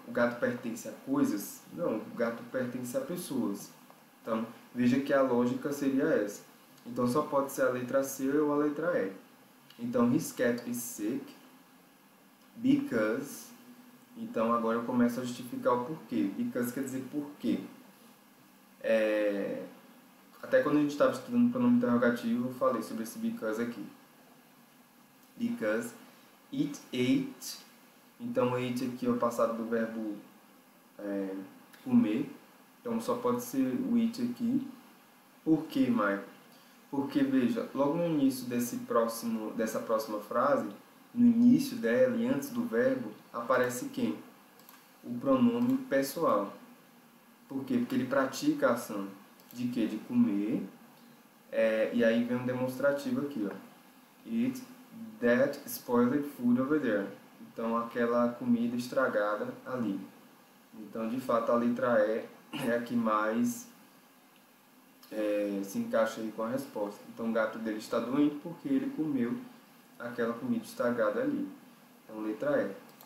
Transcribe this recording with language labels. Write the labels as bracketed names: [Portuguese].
[Portuguese] O gato pertence a coisas? Não, o gato pertence a pessoas. Então, veja que a lógica seria essa. Então, só pode ser a letra C ou a letra E. [English] Então, his cat is sick because... [Portuguese] Então, agora eu começo a justificar o porquê. Because quer dizer porquê. Até quando a gente estava estudando o pronome interrogativo, eu falei sobre esse because aqui. [English] Because it ate. [Portuguese] Então, ate aqui é o passado do verbo comer. Então, só pode ser o it aqui. Por quê, Michael? Porque, veja, logo no início dessa próxima frase, no início dela e antes do verbo, aparece quem? O pronome pessoal. Por quê? Porque ele pratica a ação de quê? De comer. E aí vem um demonstrativo aqui, ó. [English] Eat that spoiled food over there. [Portuguese] Então, aquela comida estragada ali. Então, de fato, a letra E é a que mais se encaixa aí com a resposta. Então, o gato dele está doente porque ele comeu aquela comida estragada ali. Então, letra E.